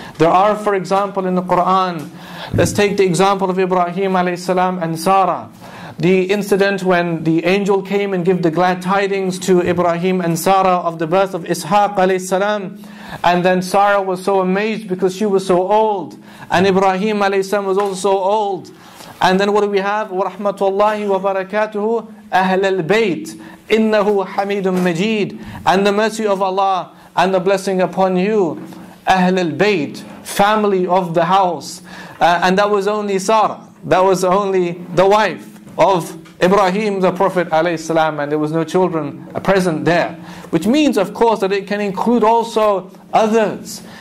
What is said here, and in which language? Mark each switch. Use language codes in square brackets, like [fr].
[en] There are, for example, in the Quran, let's take the example of Ibrahim alayhi salam and Sarah. The incident when the angel came and gave the glad tidings to Ibrahim and Sarah of the birth of Ishaq alayhi salam. And then Sarah was so amazed because she was so old, and Ibrahim alayhi salam was also so old. And then what do we have? [ar] وَرَحْمَةُ wa barakatuhu أَهْلَ الْبَيْتِ إِنَّهُ حَمِيدٌ مَجِيدٌ. [en] And the mercy of Allah and the blessing upon you, [ar] أَهْلَ الْبَيْتِ, [en] family of the house. And that was only Sarah. That was only the wife of Ibrahim the Prophet alayhi salam, and there was no children present there. Which means, of course, that it can include also others.